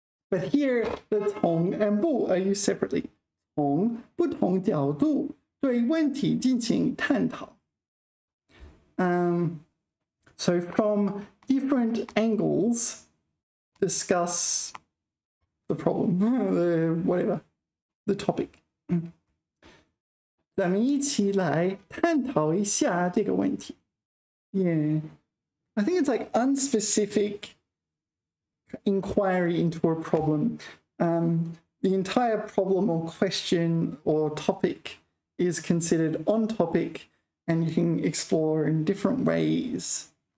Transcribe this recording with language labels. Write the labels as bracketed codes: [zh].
[en] But here, the 从 and 不 are used separately. [zh] 从不同角度对问题进行探讨. [en] So from different angles, discuss the problem, the topic. [zh] 咱们一起来探讨一下这个问题. [en] Yeah, I think it's like unspecific inquiry into a problem. The entire problem or question or topic is considered on topic, and you can explore in different ways.